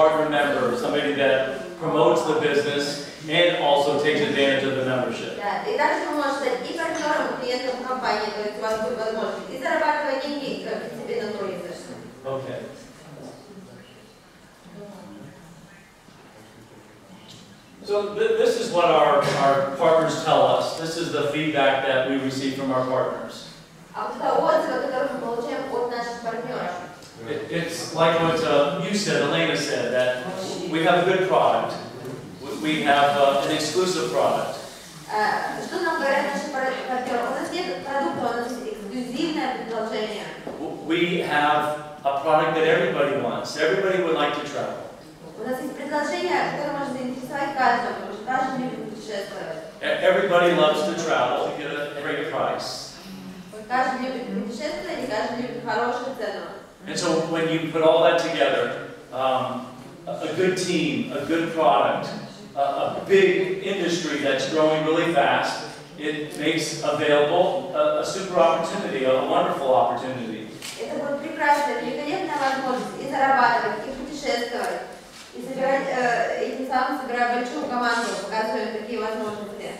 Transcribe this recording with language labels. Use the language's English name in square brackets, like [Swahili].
[English] member, somebody that promotes the business and also takes advantage of the membership. [Russian] Да, и также вы можете стать и партнером, и клиентом компании, то есть у вас будет возможность и зарабатывать деньги, и как тебе на то известно. Okay. [English] So this is what our partners tell us. This is the feedback that we receive from our partners. [Russian] А вот это отзывы, которые мы получаем от наших партнеров. [English] It's like what you said, Elena said, that we have a good product. We have an exclusive product. [Russian] Что нам говорят наши партнеры? У нас нет продукта, у нас эксклюзивное предложение. [English] We have a product that everybody wants. Everybody would like to travel. [Russian] У нас есть предложение, которое может заинтересовать каждого, потому что каждый любит путешествовать. [English] Everybody loves to travel to get a great price. [Russian] Каждый любит путешествовать, и каждый любит хорошую цену. [English] And so when you put all that together, a good team, a good product, a big industry that's growing really fast, it makes available a super opportunity, a wonderful opportunity. [Russian] Это будет прекрасная, великолепная возможность и зарабатывать, и путешествовать, и собирать, и сам собирать большую команду, показывая такие возможности.